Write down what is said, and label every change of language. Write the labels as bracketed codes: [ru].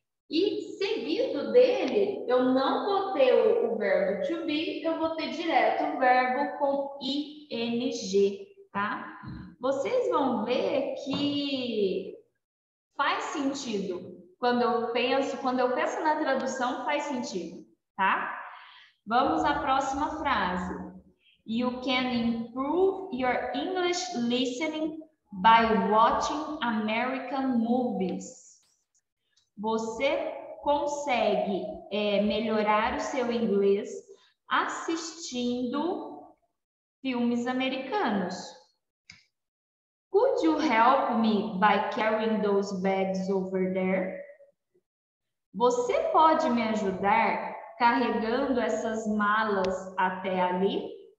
[pt] E seguido dele, eu não vou ter o verbo to be, eu vou ter direto o verbo com ing, tá? Vocês vão ver que faz sentido quando eu penso na tradução, faz sentido, tá? Vamos à próxima frase. [en] You can improve your English listening by watching American movies. [pt] Você consegue melhorar o seu inglês assistindo filmes americanos. [en] Could you help me by carrying those bags over there? [pt] Você pode me ajudar carregando essas malas até ali?